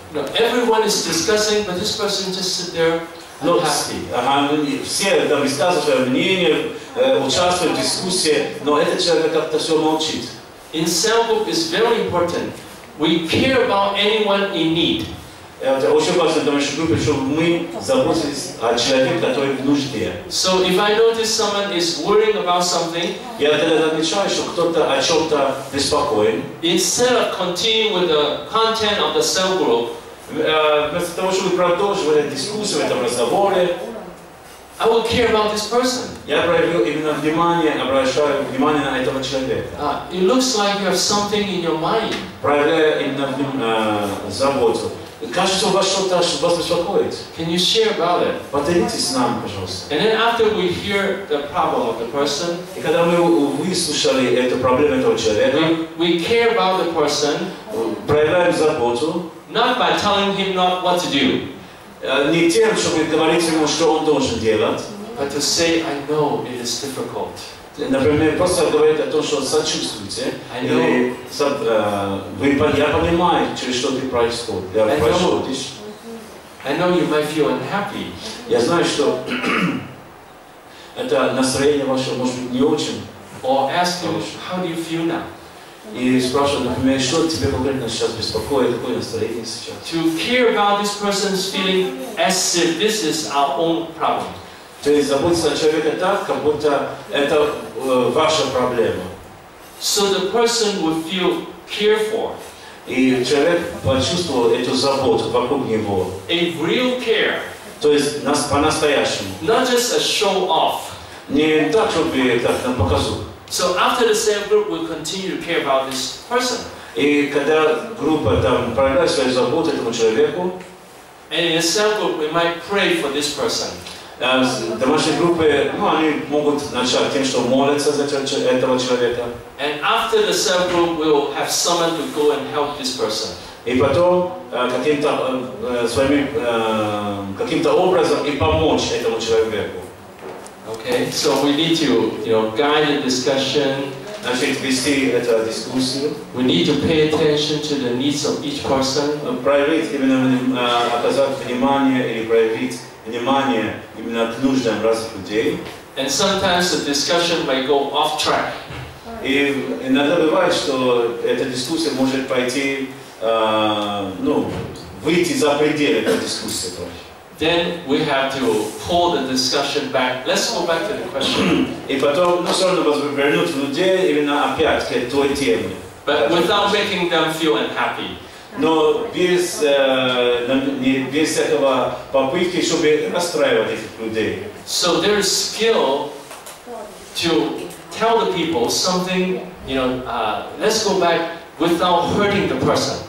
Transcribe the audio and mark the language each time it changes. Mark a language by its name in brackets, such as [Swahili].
[English] No, everyone is discussing, but this person just sit there. [Russian] Ну, все там высказывают свое мнение, участвуют в дискуссии, но этот человек как-то все молчит. [English] In cell group is very important. We care about anyone in need. [Russian] Это очень важно в домашней группе, чтобы мы заботились о человеке, который в нужде. [English] So if I notice someone is worrying about something, [Russian] я тогда замечаю, что кто-то о чем-то беспокоен. [English] Instead of continuing with the content of the cell group, [Russian] вместо того, чтобы продолжить дискуссию в этом разговоре, [English] I will care about this person. [Russian] Я проявлю именно внимание, обращаю внимание на этого человека. [English] It looks like you have something in your mind. [Russian] Проявляю именно заботу. Кажется, у вас что-то, что вас беспокоит. [English] Can you share about it? [Russian] Поделитесь с нами, пожалуйста. [English] And then after we hear the problem of the person, [Russian] и когда мы выслушали эту проблему этого человека, [English] we care about the person. [Russian] Проявляем заботу. [English] Not by telling him not what to do. [Russian] Не тем, чтобы говорить ему, что он должен делать. [English] But to say, I know it is difficult. [Russian] Например, просто говорить о том, что сочувствуете. Я понимаю, через что ты происходишь. [English] I know you might feel unhappy. [Russian] Я знаю, что это настроение ваше может быть не очень. [English] Or ask him, how do you feel now? [Russian] И спрашивают, например, что тебе конкретно сейчас беспокоит, какое настроение сейчас? [English] To care about this person's feeling as if this is our own problem. [Russian] То есть заботиться о человеке так, как будто это ваша проблема. [English] So the person would feel cared for. [Russian] И человек почувствовал эту заботу вокруг него. [English] A real care. [Russian] То есть по-настоящему. [English] Not just a show off. [Russian] Не так, чтобы так нам показывать. [English] So after the same group, we continue to care about this person. [Russian] И когда группа там проявляет свою заботу этому человеку, [English] and in the same group, we might pray for this person. [Russian] Домашние группы, ну, они могут начать тем, что молятся за этого человека. [English] And after the same group, we'll have someone to go and help this person. [Russian] И потом каким-то своими каким-то образом и помочь этому человеку. [English] Okay, so we need to, you know, guide the discussion. [Russian] Значит, вести эту дискуссию. [English] We need to pay attention to the needs of each person. [Russian] Проявить именно оказать внимание или проявить внимание именно к нуждам разных людей. [English] And sometimes the discussion might go off track. [Russian] И иногда бывает, что эта дискуссия может пойти, ну, выйти за пределы этой дискуссии. [English] Then we have to pull the discussion back. Let's go back to the question. [Russian] И потом, ну, все равно вас вернуть в людей, именно опять к той теме. [English] But without making them feel unhappy. [Russian] Но без, без этого попытки, чтобы расстраивать этих людей. [English] So there is skill to tell the people something, you know, let's go back without hurting the person.